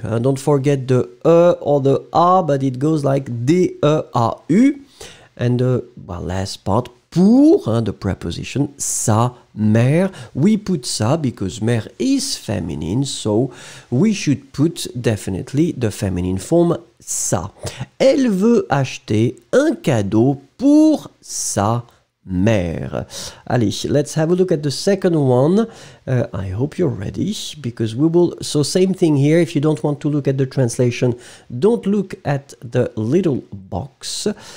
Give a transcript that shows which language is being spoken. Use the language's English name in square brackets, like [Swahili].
[English] And don't forget the E or the A, but it goes like D-E-A-U. And the last part, pour, the preposition, sa mère. We put sa because mère is feminine, so we should put definitely the feminine form. [French] Ça. Elle veut acheter un cadeau pour sa mère. [English] Allez, let's have a look at the second one. I hope you're ready, because we will... So same thing here, if you don't want to look at the translation, don't look at the little box.